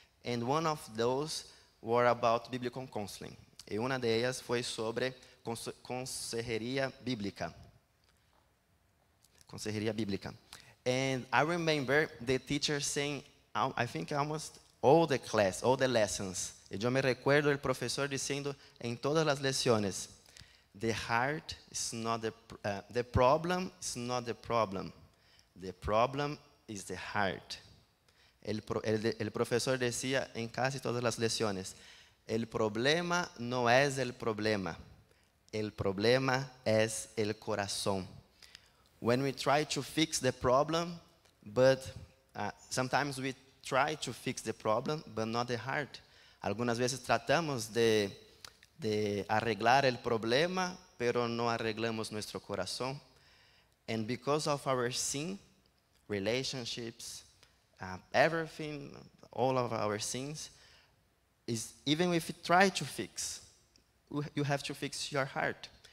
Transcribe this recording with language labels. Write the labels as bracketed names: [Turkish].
[English] And one of those were about biblical counseling. [Spanish] Y una de ellas fue sobre consejería bíblica. Consejería bíblica. [English] And I remember the teacher saying, I think almost all the class, all the lessons. [Spanish] Y yo me recuerdo el profesor diciendo en todas las lecciones, [English] the heart is not the problem [Spanish] is not the problem. [English] The problem is the heart. [Spanish] El profesor decía en casi todas las lecciones, el problema no es el problema. El problema es el corazón. [English] When we try to fix the problem, but sometimes we try to fix the problem, but not the heart. [Spanish] Algunas veces tratamos de arreglar el problema, pero no arreglamos nuestro corazón. [English] And because of our sin, relationships, everything, all of our sins, is even if you try to fix, you have to fix your heart.